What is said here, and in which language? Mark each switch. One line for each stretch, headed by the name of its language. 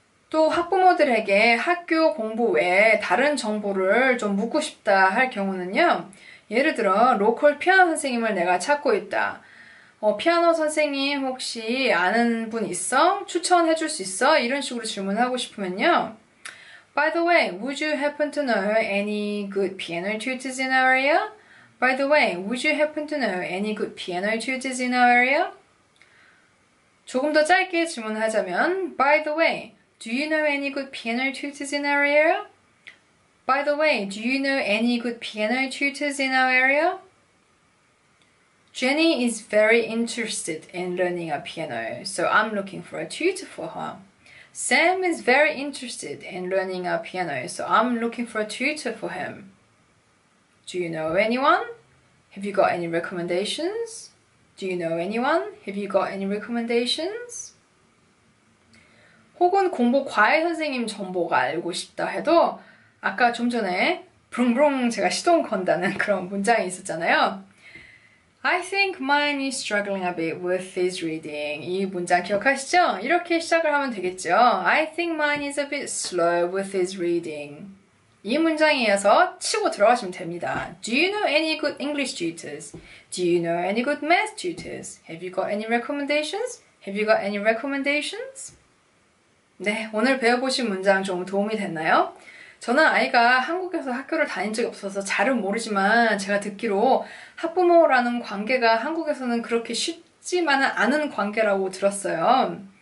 Korean: 또 학부모들에게 학교 공부 외에 다른 정보를 좀 묻고 싶다 할 경우는요. 예를 들어 로컬 피아노 선생님을 내가 찾고 있다. 피아노 선생님 혹시 아는 분 있어? 추천해 줄수 있어? 이런 식으로 질문하고 싶으면요.
English: By the way, would you happen to know any good piano tutors in our area? By the way, would you happen to know any good piano tutors in our area?
Korean: 조금 더 짧게 질문하자면,
English: By the way, do you know any good piano tutors in our area? By the way, do you know any good piano tutors in our area? Jenny is very interested in learning a piano, so I'm looking for a tutor for her. Sam is very interested in learning a piano, so I'm looking for a tutor for him. Do you know anyone? Have you got any recommendations? Do you know anyone? Have you got any recommendations?
Korean: 혹은 공부 과외 선생님 정보가 알고 싶다 해도 아까 좀 전에 브롱브롱 제가 시동 건다는 그런 문장이 있었잖아요.
English: I think mine is struggling a bit with his reading.
Korean: 이 문장 기억하시죠? 이렇게 시작을 하면 되겠죠.
English: I think mine is a bit slow with his reading.
Korean: 이 문장에 이어서 치고 들어가시면 됩니다.
English: Do you know any good English tutors? Do you know any good math tutors? Have you got any recommendations? Have you got any recommendations?
Korean: 네, 오늘 배워보신 문장 좀 도움이 됐나요? 저는 아이가 한국에서 학교를 다닌 적이 없어서 잘은 모르지만 제가 듣기로 학부모라는 관계가 한국에서는 그렇게 쉽지만은 않은 관계라고 들었어요.